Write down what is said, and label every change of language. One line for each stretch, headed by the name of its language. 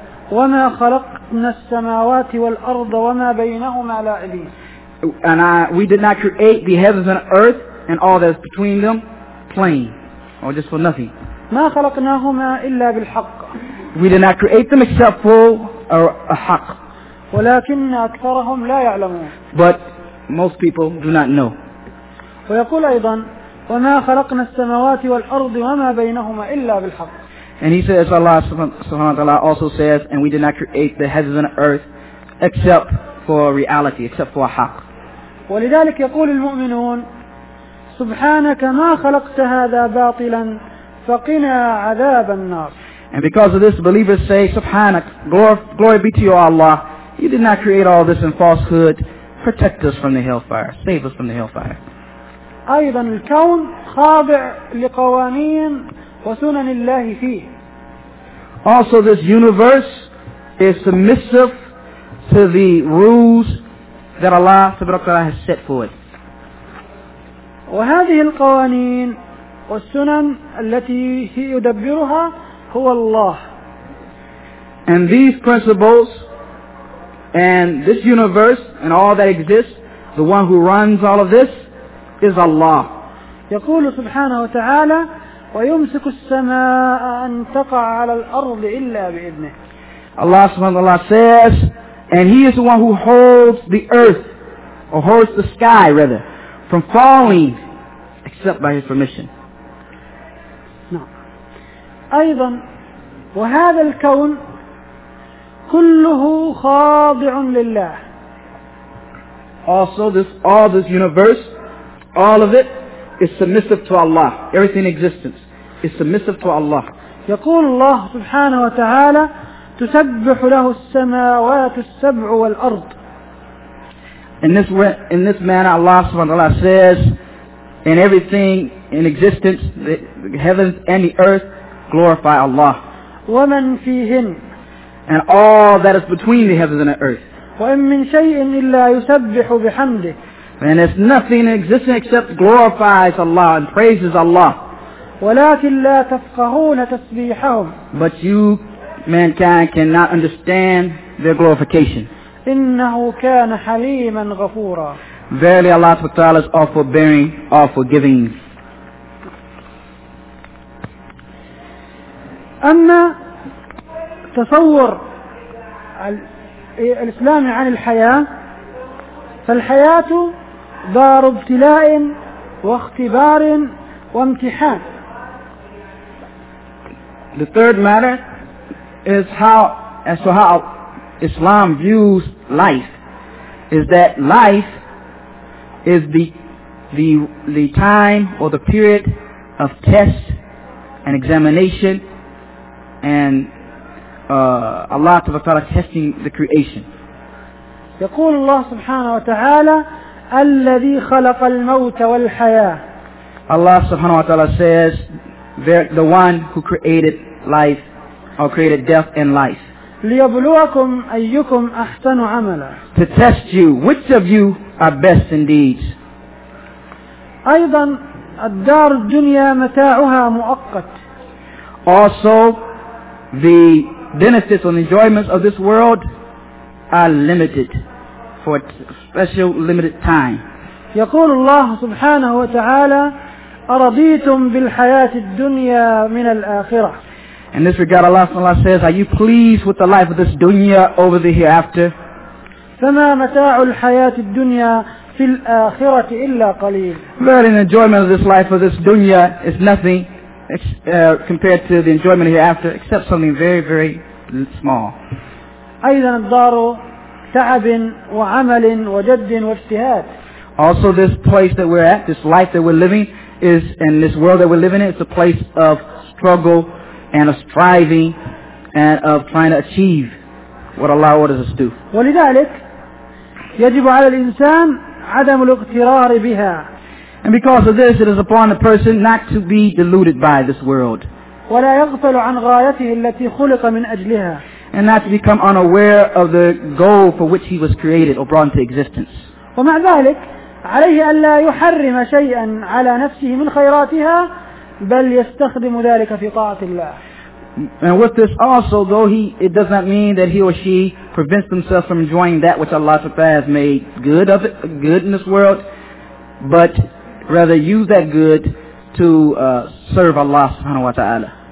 Arabic: وما خلقنا السماوات والأرض وما بينهما لاعبين.
English: And we did not create the heavens and earth and all that is between them plain or just for nothing.
Arabic: ما خلقناهما إلا بالحق.
English: We did not create them except for a haq.
Arabic: ولكن أكثرهم لا يعلمون.
English: But most people do not know.
Arabic: ويقول أيضا وما خلقنا السماوات والأرض وما بينهما إلا بالحق.
English: And he says, Allah subhanahu wa ta'ala also says, and we did not create the heavens and earth except for reality, except for a haq.
Arabic: ولذلك يقول المؤمنون سبحانك ما خلقت هذا باطلا فقنا عذاب النار.
English: And because of this, believers say, Subhanak, glory be to you, Allah. You did not create all this in falsehood. Protect us from the hellfire. Save us from the hellfire.
Arabic: أيضا الكون خاضع لقوانين وسنن الله فيه.
English: Also this universe is submissive to the rules that Allah subhanahu wa ta'ala has set for it.
Arabic: وهذه القوانين والسنن التي هي يدبرها هو الله.
English: And these principles and this universe and all that exists, the one who runs all of this is Allah.
Arabic: يقول سبحانه وتعالى ويمسك السماء أن تقع على الأرض إلا بإذنه.
English: Allah subhanahu wa ta'ala says, and He is the one who holds the earth, or holds the sky rather, from falling except by His permission. No.
Arabic: أيضا وهذا الكون كله خاضع لله.
English: Also, all this universe, all of it, is submissive to Allah. Everything in existence is submissive to Allah.
Arabic: يقول الله سبحانه وتعالى تسبح له السماوات السبع والأرض.
English: In this manner, Allah subhanahu wa ta'ala says, in everything in existence, the heavens and the earth, glorify Allah.
Arabic: ومن فيهن.
English: And all that is between the heavens and the earth.
Arabic: وَإِن مِّن شَيْءٍ إِلَّا يُسَبِّحُ بِحَمْدِهِ.
English: And there's nothing in existence except glorifies Allah and praises Allah.
Arabic: وَلَكِن لَا تَفْقَهُونَ تَسْبِيحَهُمْ.
English: But you, mankind, cannot understand their glorification.
Arabic: إِنَّهُ كَانَ حَلِيمًا غَفُورًا.
English: Verily Allah subhanahu wa ta'ala is all forbearing, all forgiving.
Arabic: أَمَّا تَصَوَّرْ الإسلام عن الحياة فالحياة دار ابتلاء واختبار وامتحان.
English: The third matter is how Islam views life is that life is the time or the period of test and examination and Allah Ta'ala testing the creation.
Arabic: يقول الله سبحانه وتعالى الذي خلق الموت والحياة.
English: Allah Subhanahu wa Ta'ala says the one who created life or created death and life.
Arabic: ليبلوكم أيكم أحسن عملا.
English: To test you, which of you are best in deeds.
Arabic: أيضا الدار الدنيا متاعها مؤقت.
English: Also the benefits and enjoyments of this world are limited for a special limited time.
Arabic: يقول الله سبحانه وتعالى أرضيتم بالحياة الدنيا من الآخرة.
English: In this regard, Allah says, are you pleased with the life of this dunya over the hereafter?
Arabic: فما متاع الحياة الدنيا في الآخرة إلا قليل.
English: Verily, the enjoyment of this life of this dunya is nothing compared to the enjoyment of hereafter, except something very, very small.
Arabic: أيضا الدار تعب وعمل وجد واجتهاد.
English: Also, this place that we're at, this life that we're living, is in this world that we're living in, it's a place of struggle and of striving and of trying to achieve what Allah orders us to do.
Arabic: ولذلك يجب على الإنسان عدم الاغترار بها.
English: And because of this, it is upon a person not to be deluded by this world.
Arabic: ولا يغفل عن غايته التي خلق من أجلها.
English: And not to become unaware of the goal for which he was created or brought into existence.
Arabic: ومع ذلك عليه ألا يحرم شيئا على نفسه من خيراتها بل يستخدم ذلك في طاعة الله.
English: And with this also, though it does not mean that he or she prevents themselves from enjoying that which Allah Ta'ala has made good in this world, but rather use that good to serve Allah subhanahu wa ta'ala.